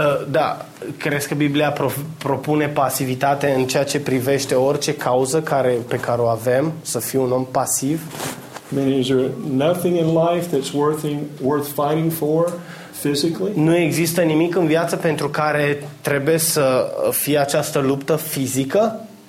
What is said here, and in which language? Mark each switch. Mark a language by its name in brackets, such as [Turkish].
[Romanian] Da, crezi că Biblia propune pasivitate în ceea ce privește orice cauză pe care o avem, să fii un om pasiv? [English] I mean, is there nothing in life that's worth fighting for physically? [Romanian] Nu există nimic în viață pentru care trebuie să fie această luptă fizică?